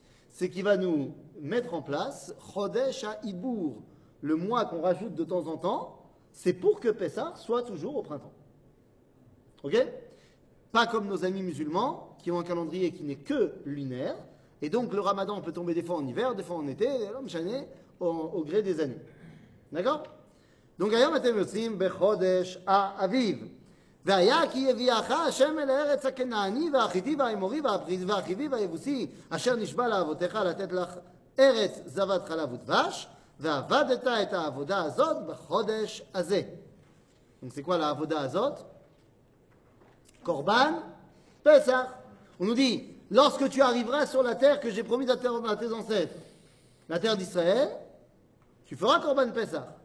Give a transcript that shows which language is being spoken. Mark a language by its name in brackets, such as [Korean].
[French] Ce qui va nous mettre en place Chodesh HaIbour, le mois qu'on rajoute de temps en temps, c'est pour que Pessah soit toujours au printemps. Ok ? Pas comme nos amis musulmans qui ont un calendrier qui n'est que lunaire. Et donc le ramadan peut tomber des fois en hiver, des fois en été, au gré des années. D'accord ? Donc, [Hebrew] היום אתם יוצאים בחודש האביב. והיה כי יביאך השם אל הארץ הכנעני והחיתי והאמורי והחיבי והיבוסי אשר נשבע לאבותיך לתת לך ארץ זבת חלב ודבש ועבדת את העבודה הזאת בחודש הזה. [French] Donc, c'est quoi la [Hebrew] עבודה הזאת? קורבן, פסח. [French] On nous dit, lorsque tu arriveras sur la terre que j'ai promis à tes ancêtres, la terre d'Israël, tu feras קורבן פסח.